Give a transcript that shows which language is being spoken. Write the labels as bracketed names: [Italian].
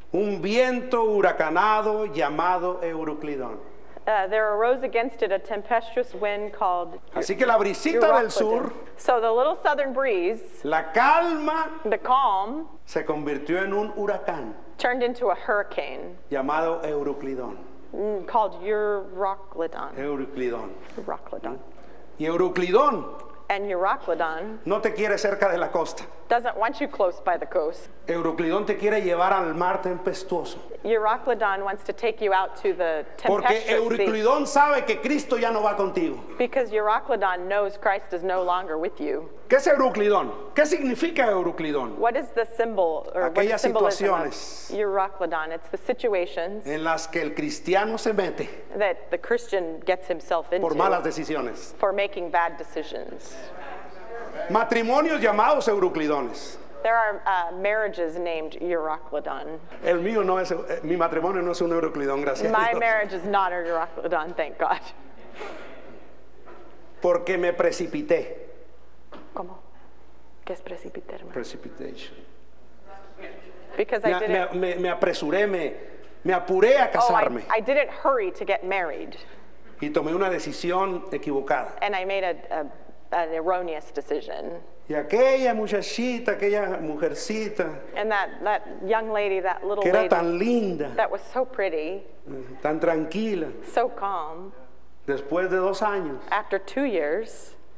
[Spanish] un viento huracanado llamado Euroclidón. [English] There arose against it a tempestuous wind called. [Spanish] Así que la brisita del sur, [English] so the little southern breeze, [Spanish] la calma, [English] the calm, [Spanish] se convirtió en un huracán. [English] Turned into a hurricane [Spanish] llamado Euroclidón. [English] Called Euroclidón. [Spanish] Euroclidón. [English] Euroclidón. [Spanish] Y Euroclidón. [English] And Euroclidón. [Spanish] No te quiere cerca de la costa. [English] Doesn't want you close by the coast. [Spanish] Euroclidón te quiere llevar al mar tempestuoso. [English] Euroclidón wants to take you out to the tempestuous sea. [Spanish] Porque Euroclidón sabe que Cristo ya no va contigo. [English] Because Euroclidón knows Christ is no longer with you. [Spanish] ¿Qué es Euroclidón? ¿Qué significa Euroclidón? [English] What is the symbol or [Spanish] aquellas [English] what [Spanish] situaciones [English] Euroclidón? It's the situations [Spanish] en las que el cristiano se mete [English] that the Christian gets himself into [Spanish] por malas decisiones. [English] For making bad decisions. [Spanish] Matrimonios llamados Euroclidones. [English] There are marriages named Euroclidón. [Spanish] El mío no es, mi matrimonio no es un Euroclidón, gracias [English] My [Spanish] a Dios. [English] My marriage is not a Euroclidón, thank God. [Spanish] Porque me precipité. ¿Cómo? ¿Qué es precipitarme? [English] Precipitation. Because I didn't... [Spanish] Me apresuré, me apuré a casarme. [English] Oh, I didn't hurry to get married. [Spanish] Y tomé una decisión equivocada. [English] And I made an erroneous decision. [Spanish] Y aquella muchachita, aquella mujercita. [English] And that young lady, that little [Spanish] que era [English] lady. [Spanish] Tan linda. [English] That was so pretty. [Spanish] Tan tranquila. [English] So calm. [Spanish] Después de dos años. [English] After 2 years.